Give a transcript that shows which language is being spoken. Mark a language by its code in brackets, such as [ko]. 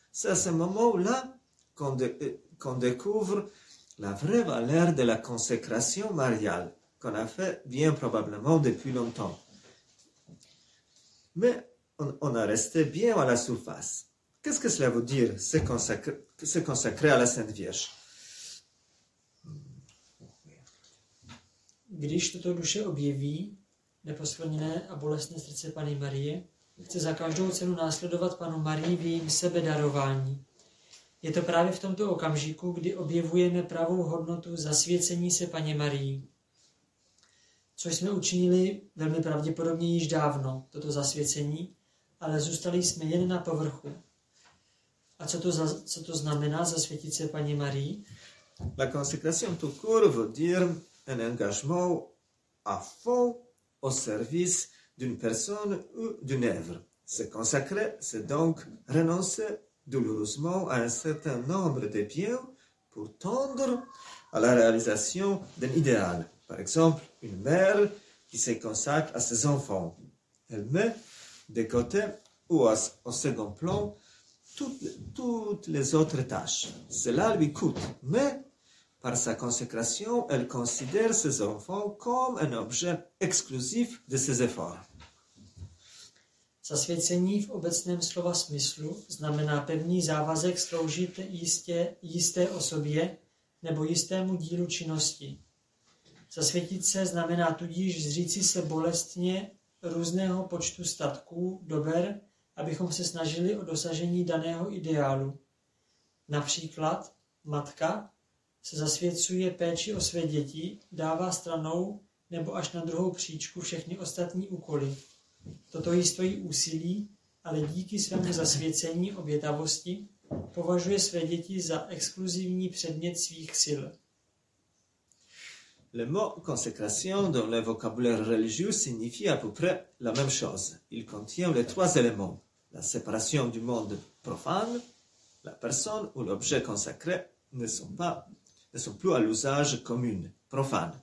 [fr] C'est à ce moment-là qu'on découvre la vraie valeur de la consécration mariale, qu'on a fait bien probablement depuis longtemps. Mais on a resté bien à la surface. Qu'est-ce que cela veut dire, se consacrer à la Sainte Vierge? [cs] Když toto duše objeví neposkvrněné a bolestné srdce Panny Marie, chce za každou cenu následovat Panu Marii v jejím sebedarování. Je to právě v tomto okamžiku, kdy objevujeme pravou hodnotu zasvěcení se Panně Marii. Což jsme učinili velmi pravděpodobně již dávno, toto zasvěcení, ale zůstali jsme jen na povrchu. A co to znamená zasvětit se Panně Marii? [fr] La consécration tout court veut dire un engagement à fond au service d'une personne ou d'une œuvre. Se consacrer, c'est donc renoncer douloureusement à un certain nombre de biens pour tendre à la réalisation d'un idéal. Par exemple, une mère qui se consacre à ses enfants. Elle met de côté ou au second plan toutes les autres tâches. Cela lui coûte, mais par sa consécration, elle considère ses enfants comme un objet exclusif de ses efforts. [cs] Zasvěcení v obecném slova smyslu znamená pevný závazek sloužit jisté osobě nebo jistému dílu činnosti. Zasvětit se znamená tudíž zříci se bolestně různého počtu statků, dober, abychom se snažili o dosažení daného ideálu. Například matka se zasvěcuje péči o své děti, dává stranou nebo až na druhou příčku všechny ostatní úkoly. Toto jí stojí úsilí, ale díky svému zasvěcení obětavosti považuje své děti za exkluzivní předmět svých sil. [fr] Le mot consécration dans le vocabulaire religieux signifie à peu près la même chose. Il contient les trois éléments: la séparation du monde profane, la personne ou l'objet consacré ne sont plus à l'usage commun, profane.